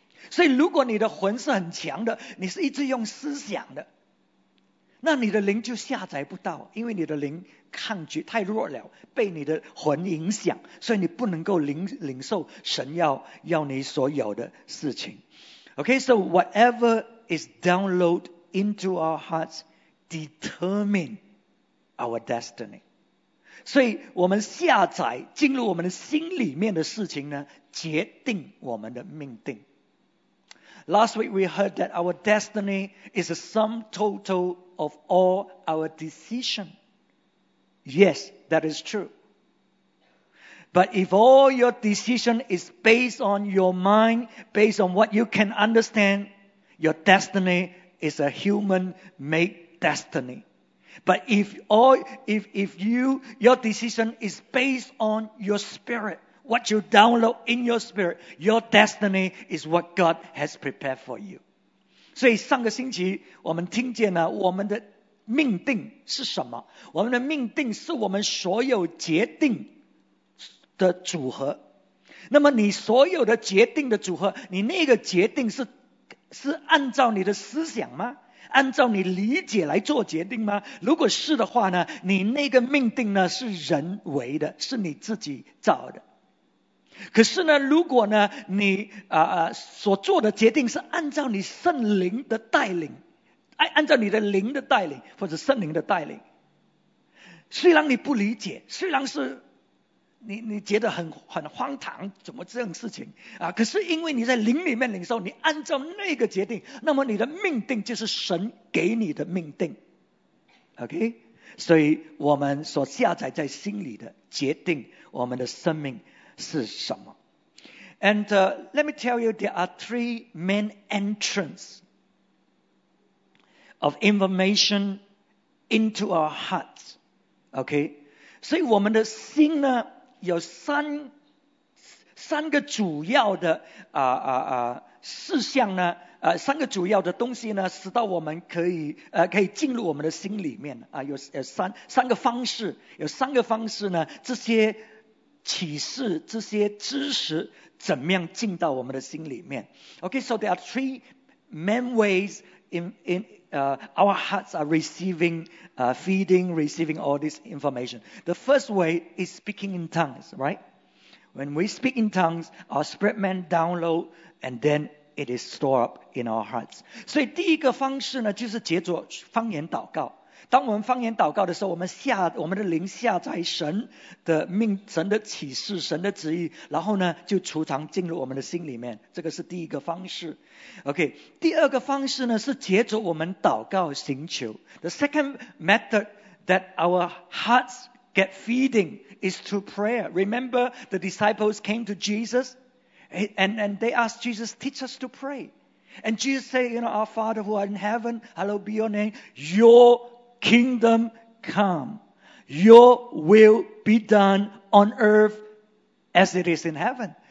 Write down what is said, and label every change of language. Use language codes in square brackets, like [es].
[zh] 所以如果你的魂是很强的，你是一直用思想的，那你的灵就下载不到，因为你的灵抗拒太弱了，被你的魂影响，所以你不能够 领受神 要你所有的事情。 [en] Okay, so whatever is downloaded into our hearts determine our destiny. [zh] 所以我们下载进入我们的心里面的事情呢，决定我们的命定。 [en] Last week we heard that our destiny is a sum total of all our decisions. Yes, that is true. But if all your decision is based on your mind, based on what you can understand, your destiny is a human-made destiny. But if your decision is based on your spirit,what you download in your spirit, your destiny is what God has prepared for you. [zh] 所以上个星期我们听见了我们的命定是什么？我们的命定是我们所有决定的组合。那么你所有的决定的组合，你那个决定是按照你的思想吗？按照你理解来做决定吗？如果是的话呢，你那个命定呢是人为的，是你自己造的。可是呢，如果呢，你所做的决定是按照你圣灵的带领，按照你的灵的带领或者圣灵的带领，虽然你不理解，虽然是你觉得很荒唐，怎么这样事情啊？可是因为你在灵里面领受，你按照那个决定，那么你的命定就是神给你的命定 ，OK？所以我们所下载在心里的决定我们的生命。是什么？ [en] And let me tell you, there are three main entrances of information into our hearts. [zh] Okay, 所以我们的心呢，有三个主要的事项呢，三个主要的东西呢，使到我们可以进入我们的心里面啊，有三个方式呢，这些。启示这些知识怎么样进到我们的心里面 ？ [en] Okay, so there are three main ways in our hearts are receiving, feeding, receiving all this information. The first way is speaking in tongues, right? When we speak in tongues, our spirit man download and then it is stored up in our hearts. [zh] 所以第一个方式呢，就是藉着方言祷告。当我们方言祷告的时候，我们的灵下载神的命、神的启示、神的旨意，然后呢就储藏进入我们的心里面。这个是第一个方式。OK， 第二个方式呢是藉着我们祷告寻求。 [en] The second method that our hearts get feeding is through prayer. Remember the disciples came to Jesus and they asked Jesus, teach us to pray. And Jesus said, you know, our Father who are in heaven, hallowed be your name, your kingdom come, your will be done on earth as it is in heaven.